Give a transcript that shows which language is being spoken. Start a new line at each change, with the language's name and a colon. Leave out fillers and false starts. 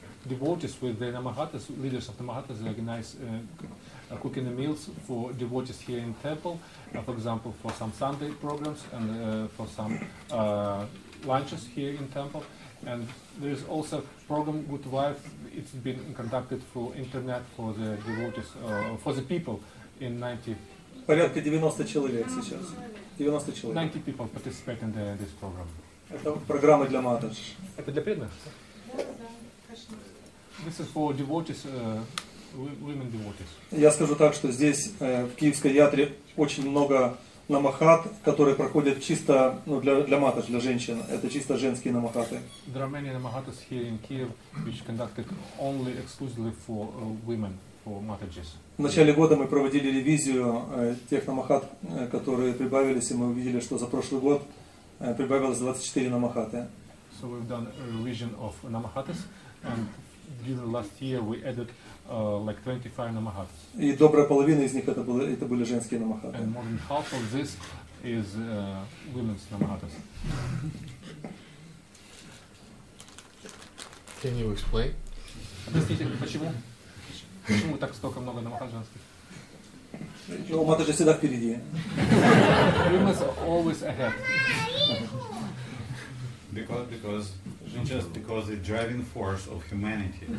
English: devotees with the Namahatas, leaders of the Namahatas, organize cooking the meals for devotees here in temple, for example, for some Sunday programs and for some lunches here in temple. And there is also program Good Wife. It's been conducted for internet for the devotees, for the people in 90.
Russian: Порядка 90 человек сейчас. 90 человек.
English: 90 people participate in this program.
Russian: Это программа для матадж. Это для преданных? Да, конечно.
English: This is for devotees, women devotees.
Russian: Я скажу так, что здесь в Киевской Ятре очень много намахат, которые проходят чисто для матадж, для женщин. Это чисто женские намахаты.
English: There are many намахатas here in Kiev, which conducted only exclusively for women, for matadjis.
Russian: В начале года мы проводили ревизию тех намахат, которые прибавились, и мы увидели, что за прошлый год прибавилось 24 намахаты.
English: So we've done a revision of намахатас, and during last year we added like 25 намахатас.
Russian: И добрая половина из них это были женские намахаты.
English: And more than half of this is women's намахатас. Can you explain?
Russian: Объясните, почему? Почему так столько много намахат женских? Ну, мата же всегда впереди.
English: Women's always ahead. Because just because the driving force of humanity.